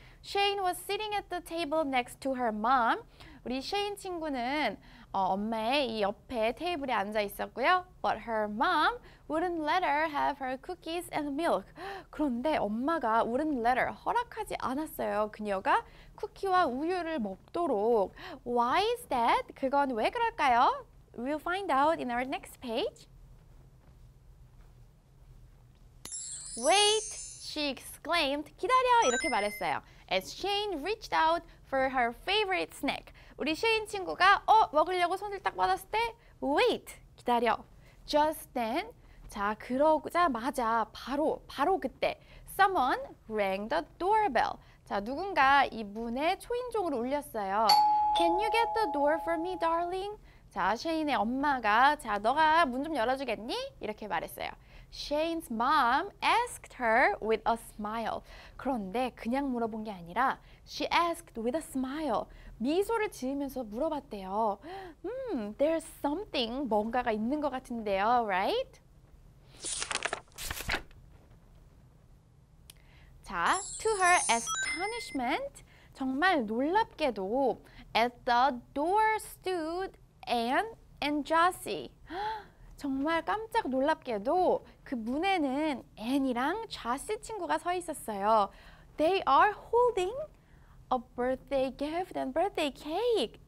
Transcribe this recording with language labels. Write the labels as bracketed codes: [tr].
[en] Shane was sitting at the table next to her mom. [ko] 우리 Shane 친구는 엄마의 이 옆에 테이블에 앉아 있었고요. [en] But her mom wouldn't let her have her cookies and milk. [ko] 그런데 엄마가 [en] wouldn't let her, [ko] 허락하지 않았어요. 그녀가 쿠키와 우유를 먹도록. [en] Why is that? [ko] 그건 왜 그럴까요? [en] We'll find out in our next page. Wait, she exclaimed. [ko] 기다려, 이렇게 말했어요. [en] As Shane reached out for her favorite snack. [ko] 우리 Shane 친구가 먹으려고 손을 딱 뻗었을 때 [en] Wait! [ko] 기다려! [en] Just then [ko] 자 그러자마자 바로 그때 [en] Someone rang the doorbell. [ko] 자 누군가 이 문에 초인종을 울렸어요. [en] Can you get the door for me, darling? [ko] 자 Shane의 엄마가 자 너가 문 좀 열어주겠니? 이렇게 말했어요. [en] Shane's mom asked her with a smile. [ko] 그런데 그냥 물어본 게 아니라 [en] she asked with a smile. [ko] 미소를 지으면서 물어봤대요. [en] There's something, [ko] 뭔가가 있는 것 같은데요, [en] right? 자, to her astonishment, [ko] 정말 놀랍게도 [en] at the door stood Anne and Jossie. [ko] 정말 깜짝 놀랍게도 그 문에는 앤이랑 자시 친구가 서 있었어요. [en] They are holding a birthday gift and birthday cake.